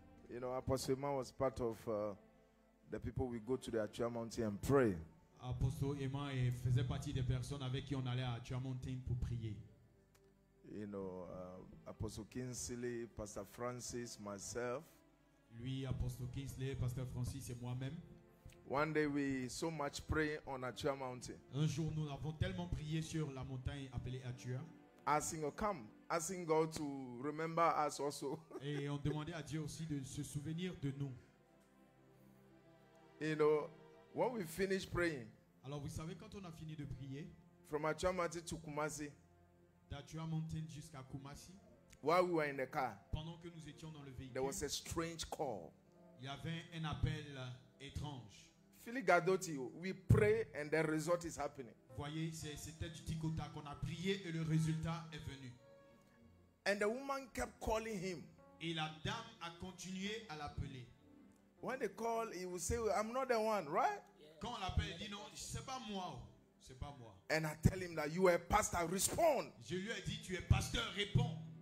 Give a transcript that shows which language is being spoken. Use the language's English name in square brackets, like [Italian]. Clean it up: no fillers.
[English] You know, Apostle Emma was part of the people we go to the Achua Mountain and pray. [French] Apostle Emma faisait partie des personnes avec qui on allait à Achua Mountain pour prier. [English] You know, Apostle Kingsley, Pastor Francis, myself. [French] Lui, Apostle Kingsley, Pasteur Francis et moi-même. [English] One day we so much pray on Achua Mountain. [French] Un jour, nous avons tellement prié sur la montagne appelée Achua. [English] Asking God, come, asking God to remember us also. [French] Et on demandait à Dieu aussi de se souvenir de nous. [English] You know, when we finish praying. [French] Alors vous savez quand on a fini de prier. [English] From Achua Mountain to Kumasi. [French] D'Achua Mountain jusqu'à Kumasi. [English] While we were in the car. [French] Pendant que nous étions dans le véhicule. [English] There was a strange call. [French] Il y avait un appel étrange. [English] Philip Gadotti, we pray and the result is happening. [French] Voyez, c'était du tic au tac. On a prié et le résultat est venu. [English] And the woman kept calling him. [French] Et la dame a continué à l'appeler. [English] When they call, he will say, I'm not the one, right? [French] Quand on l'appelle, il dit non, c'est pas moi. C'est pas moi. [English] And I tell him that you are a pastor, respond. [French] Je lui ai dit, tu es pasteur, réponds.